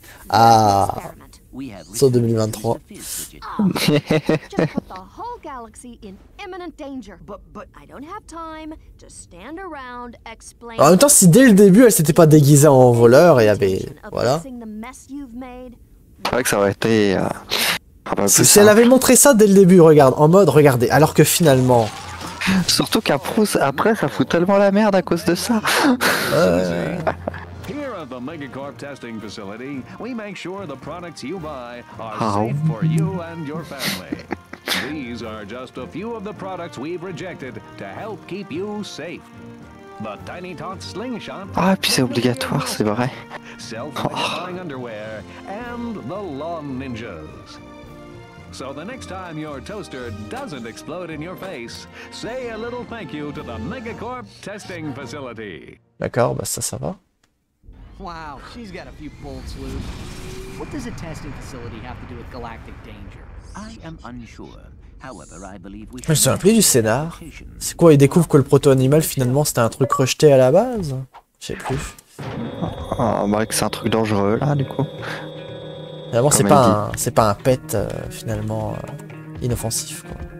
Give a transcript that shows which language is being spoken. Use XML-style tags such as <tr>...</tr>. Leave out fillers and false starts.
<fr>Ah, saut 2023. En même temps, si dès le début elle s'était pas déguisée en voleur, il y avait. Voilà. C'est vrai que ça aurait été. Si elle avait montré ça dès le début, regarde, en mode regardez, alors que finalement. Surtout qu'un Prus, après, ça fout tellement la merde à cause de ça.</fr> <en>The Megacorp testing facility, we make sure the products you buy are safe for you and your family. These are just a few of the products we've rejected to help keep you safe.</en> <fr>The Tiny Tot Slingshot. Ah, puis c'est obligatoire, c'est vrai.</fr> <en>Self-flying underwear and the Lawn Ninjas. So the next time your toaster doesn't explode in your face, say a little thank you to the Megacorp testing facility.</en> <fr>D'accord, bah ça va.</fr> <en>Wow, she's got a few bolts loose. What does a testing facility have to do with galactic danger? I am unsure. However, I believe we should.</en> <fr>Je me souviens plus du scénar. C'est quoi, ils découvrent que le proto-animal finalement c'était un truc rejeté à la base? Je sais plus. Ah bah que c'est un truc dangereux là du coup. Finalement c'est pas un pet finalement inoffensif quoi.</fr>